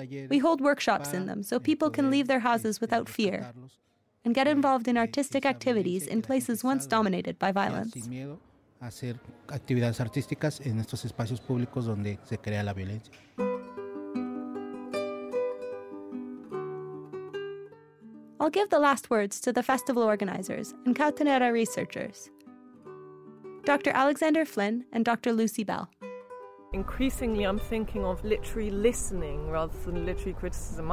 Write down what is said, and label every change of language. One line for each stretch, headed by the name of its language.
English: We hold workshops in them so people can leave their houses without fear and get involved in artistic activities in places once dominated by violence.
Spanish: Hacer actividades artísticas en estos espacios públicos donde se crea la violencia.
English: I'll give the last words to the festival organizers and Catanera researchers, Dr. Alexander Flynn and Dr. Lucy Bell. Increasingly, I'm thinking of literary listening rather than literary criticism.